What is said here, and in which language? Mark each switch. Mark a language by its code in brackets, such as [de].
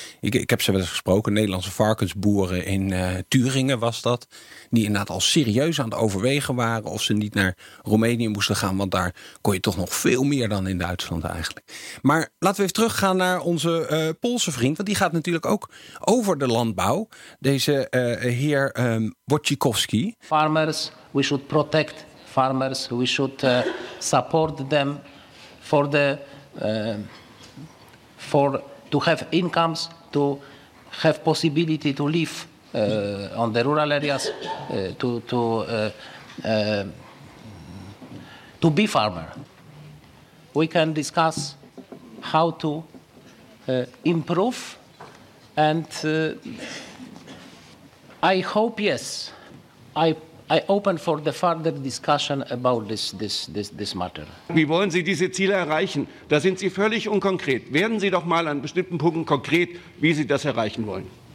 [nl] Ik heb ze wel eens gesproken, Nederlandse varkensboeren in Thüringen was dat. Die inderdaad al serieus aan het overwegen waren of ze niet naar Roemenië moesten gaan. Want daar kon je toch nog veel meer dan in Duitsland eigenlijk. Maar laten we even teruggaan naar onze Poolse vriend. Want die gaat natuurlijk ook over de landbouw. Deze heer Wojciechowski. [en] Farmers, we should protect farmers, we should support them for the for to have incomes, to have possibility to live on the rural areas, to be farmer. We can discuss how to improve, and I hope yes, I open for the further discussion about this matter. [de] Wie wollen Sie diese Ziele erreichen? Da sind Sie völlig unkonkret. Werden Sie doch mal an bestimmten Punkten konkret, wie Sie das erreichen wollen.